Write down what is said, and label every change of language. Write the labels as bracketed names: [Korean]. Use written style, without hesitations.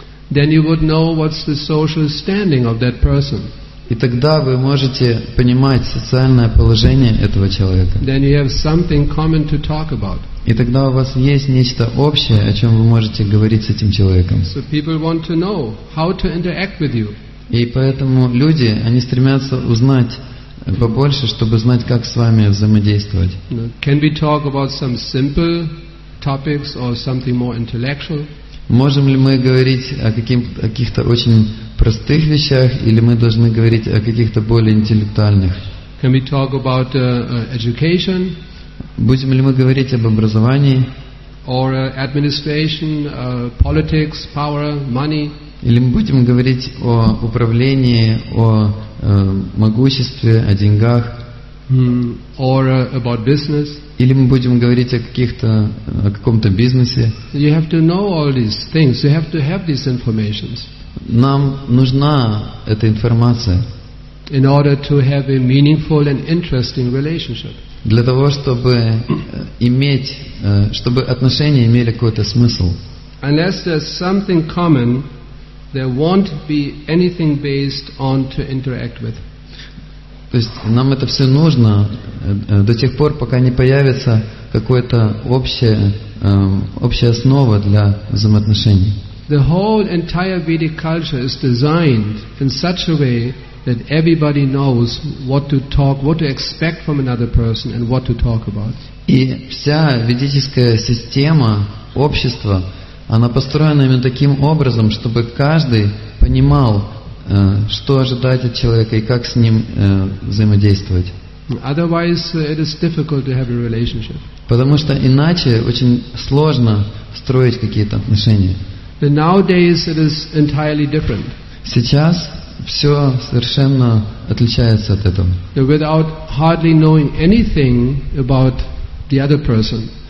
[English] Then you would know what's the social standing of that person. [Russian] И тогда вы можете понимать социальное положение этого человека. [English] Then you have something common to talk about. [Russian] И тогда у вас есть нечто общее, о чем вы можете говорить с этим человеком. [English] So people want to know how to interact with you. [Russian] И поэтому люди, они стремятся узнать побольше, чтобы знать, как с вами взаимодействовать. [English] Can we talk about some simple topics or something more intellectual? [Russian] Можем ли мы говорить о каких-то очень простых вещах, или мы должны говорить о каких-то более интеллектуальных? [English] Can we talk about education? [Russian] Будем ли мы говорить об образовании? [English] Or administration, politics, power, money? [Russian] Или мы будем говорить о управлении, о могуществе, о деньгах? [English] Or about business? [Russian] Или мы будем говорить о каком-то бизнесе? [English] You have to know all these things. You have to have these informations. [Russian] Нам нужна эта информация. [English] In order to have a meaningful and interesting relationship. [Russian] Для того, чтобы иметь, чтобы отношения имели какой-то смысл. [English] Unless there's something common, there won't be anything based on to interact with. [Russian] То есть нам это все нужно до тех пор, пока не появится какое-то общая основа для взаимоотношений. [English] The whole entire Vedic culture is designed in such a way that everybody knows what to talk, what to expect from another person and what to talk about. [Russian] И вся ведическая система общества, она построена именно таким образом, чтобы каждый понимал, что ожидать от человека и как с ним взаимодействовать. [English] Otherwise, it is difficult to have a relationship. [Russian] Потому что иначе очень сложно строить какие-то отношения. [English] But nowadays it is entirely different. [Russian] Сейчас все совершенно отличается от этого. [English] Without hardly knowing anything about the other person.